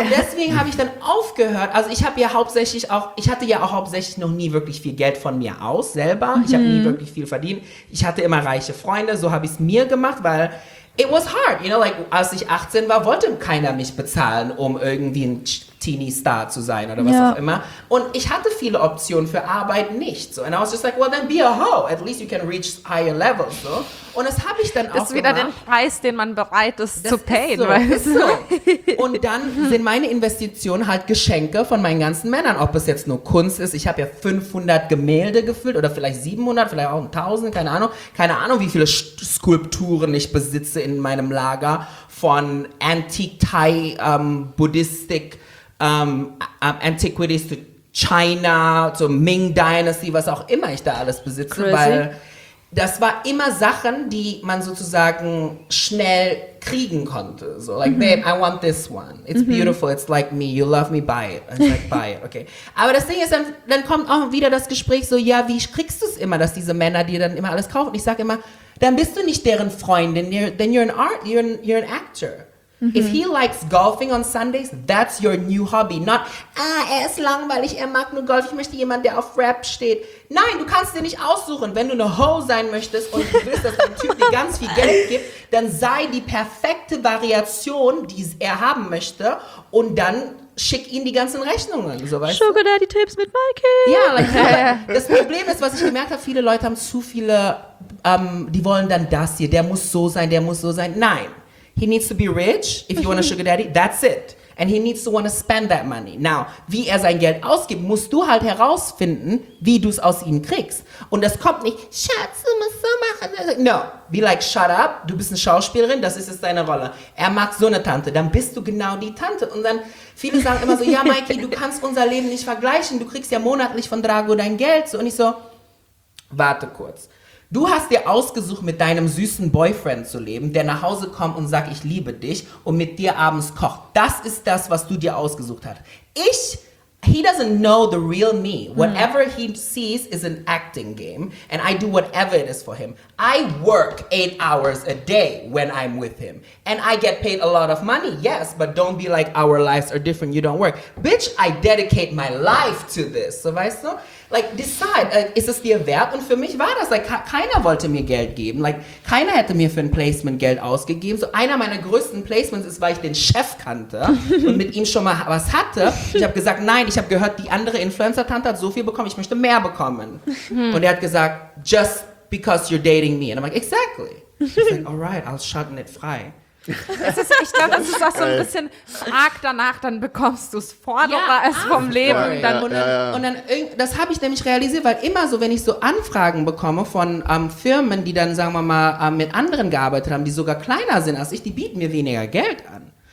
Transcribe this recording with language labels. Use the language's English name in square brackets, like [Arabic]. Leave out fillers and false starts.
[German] Und deswegen habe ich dann aufgehört, also ich habe ja hauptsächlich auch, ich hatte ja auch hauptsächlich noch nie wirklich viel Geld von mir aus, selber. Ich habe nie wirklich viel verdienen. Ich hatte immer reiche Freunde, so habe ich es mir gemacht, weil [English] it was hard, you know, like, [German] als ich 18 war, wollte keiner mich bezahlen, um irgendwie ein Teenie-Star zu sein oder was, ja, auch immer. Und ich hatte viele Optionen für Arbeit nicht, so. [English] And I was just like, well, then be a hoe. At least you can reach higher levels, so. [German] Und das habe ich dann auch gemacht. Das ist wieder der Preis, den man bereit ist zu payen, so, weißt du? So. Und dann sind meine Investitionen halt Geschenke von meinen ganzen Männern. Ob es jetzt nur Kunst ist, ich habe ja 500 Gemälde gefüllt oder vielleicht 700, vielleicht auch 1000, keine Ahnung. Keine Ahnung, wie viele Skulpturen ich besitze in meinem Lager von [English] Antique Thai, Buddhistic, Antiquities to China, to Ming Dynasty, [German] was auch immer ich da alles besitze, crazy, weil das war immer Sachen, die man sozusagen schnell kriegen konnte. [English] So, like, babe, I want this one. It's beautiful. It's like me. You love me. Buy it. It's like, buy it. Okay. [German] Aber das Ding ist, dann kommt auch wieder das Gespräch so, ja, wie kriegst du es immer, dass diese Männer dir dann immer alles kaufen? Ich sage immer, dann bist du nicht deren Freundin. [English] Then you're an art, you're an actor. If he likes golfing on Sundays, that's your new hobby. [German] Not, ah, er ist langweilig, er mag nur Golf, ich möchte jemanden, der auf Rap steht. Nein, du kannst dir nicht aussuchen. Wenn du eine Hoe sein möchtest und du willst, dass ein Typ dir ganz viel Geld gibt, dann sei die perfekte Variation, die er haben möchte, und dann schick ihm die ganzen Rechnungen. So, weißt du? Sugar Daddy Tipps mit Mikey. Ja, like, das Problem ist, was ich gemerkt habe, viele Leute haben zu viele, die wollen dann das hier, der muss so sein, der muss so sein. Nein. [English] He needs to be rich, if you want a sugar daddy, that's it. And he needs to want to spend that money. [German] Now, wie er sein Geld ausgibt, musst du halt herausfinden, wie du es aus ihm kriegst. Und das kommt nicht, Schatz, du musst so machen. [English] No, be like, shut up, [German] du bist eine Schauspielerin, das ist jetzt deine Rolle. Er mag so eine Tante, dann bist du genau die Tante. Und dann, viele sagen immer so, ja, Mikey, du kannst unser Leben nicht vergleichen, du kriegst ja monatlich von Drago dein Geld. Und ich so, warte kurz. Du hast dir ausgesucht, mit deinem süßen Boyfriend zu leben, der nach Hause kommt und sagt, ich liebe dich, und mit dir abends kocht. Das ist das, was du dir ausgesucht hast. [English] Ich, he doesn't know the real me. Whatever he sees is an acting game, and I do whatever it is for him. I work 8 hours a day when I'm with him, and I get paid a lot of money, yes, but don't be like, our lives are different, you don't work. Bitch, I dedicate my life to this, [German] so weißt du? Like, decide, ist es dir wert? Und für mich war das, like, keiner wollte mir Geld geben. Like, keiner hätte mir für ein Placement Geld ausgegeben. So, einer meiner größten Placements ist, weil ich den Chef kannte und mit ihm schon mal was hatte. Ich habe gesagt, nein, ich habe gehört, die andere Influencer-Tante hat so viel bekommen, ich möchte mehr bekommen. Und er hat gesagt, [English] just because you're dating me. And I'm like, exactly. He's like, all right, I'll shutten it frei. [German] Ich glaube, das ist auch so ein bisschen arg danach, dann bekommst du es vorderer als vom Leben. Ja, dann, ja, und, dann, ja, ja. Und dann, das habe ich nämlich realisiert, weil immer so, wenn ich so Anfragen bekomme von Firmen, die dann, sagen wir mal, mit anderen gearbeitet haben, die sogar kleiner sind als ich, die bieten mir weniger Geld an.